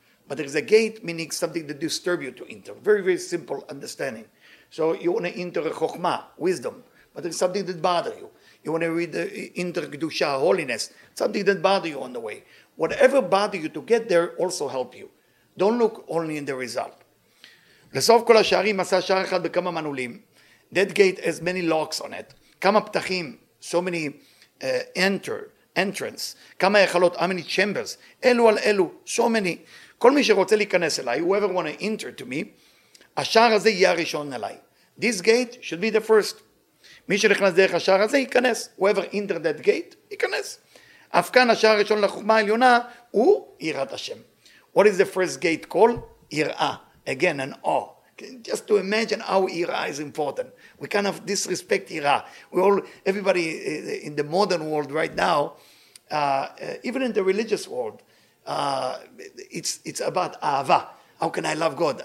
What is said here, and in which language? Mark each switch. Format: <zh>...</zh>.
<en>But there is a gate, meaning something that disturbs you to enter. Very, very simple understanding. So you want to enter a chokmah, wisdom. But there is something that bothers you. You want to read the enter kedusha, holiness. Something that bothers you on the way. Whatever bothers you to get there also help you. Don't look only in the result.</en> <he>לסוף כל השערים עשה שער אחד בכמה מנעולים.</he> <en>That gate has many locks on it.</en> <he>כמה פתחים,</he> <en>so many entrance.</en> <he>כמה יכלות,</he> <en>how many chambers.</en> <he>אלו על אלו,</he> <en>so many.</en> <he>כל מי שרוצה להיכנס אליי,</he> <en>whoever want to enter to me,</en> <he>השער הזה יהיה הראשון אליי.</he> <en>This gate should be the first.</en> <he>מי שנכנס דרך השער הזה ייכנס.</he> <en>Whoever enter that gate,</en> <he>ייכנס. אף כאן השער הראשון לחוכמה העליונה הוא יראת השם.</he> <en>What is the first gate called? יראה. Again, an awe. Just to imagine how ira is important. We kind of disrespect ira. Everybody in the modern world right now, even in the religious world, it's about ahava. How can I love God?</en>